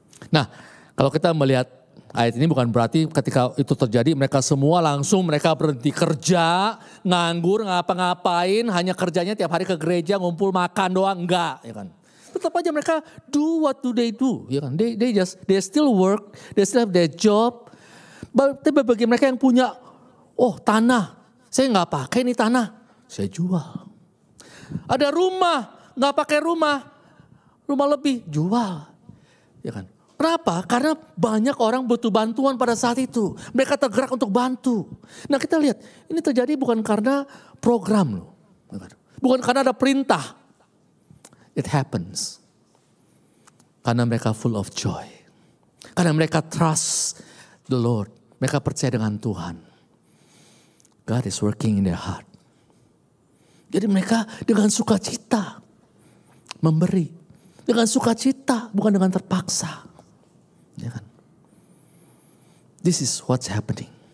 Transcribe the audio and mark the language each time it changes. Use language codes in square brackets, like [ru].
[id] Nah, kalau kita melihat ayat ini bukan berarti ketika itu terjadi mereka semua langsung mereka berhenti kerja, nganggur, ngapa-ngapain, hanya kerjanya tiap hari ke gereja ngumpul makan doang, enggak, ya kan. Tetap aja mereka [en] do what do they do, [id] ya kan. [en] They still work, they still have their job. [id] Tapi bagi mereka yang punya tanah, Saya gak pakai nih tanah, saya jual. Ada rumah, gak pakai rumah. Rumah lebih, jual. Ya kan? Kenapa? Karena banyak orang butuh bantuan pada saat itu. Mereka tergerak untuk bantu. Nah kita lihat, ini terjadi bukan karena program loh. Bukan karena ada perintah. [en] It happens. [id] Karena mereka [en] full of joy. Karena mereka trust the Lord. [id] Mereka percaya dengan Tuhan. [en] God is working in their heart. [id] Jadi mereka dengan sukacita memberi. Dengan sukacita, bukan dengan terpaksa. Ya kan? [en] This is what's happening.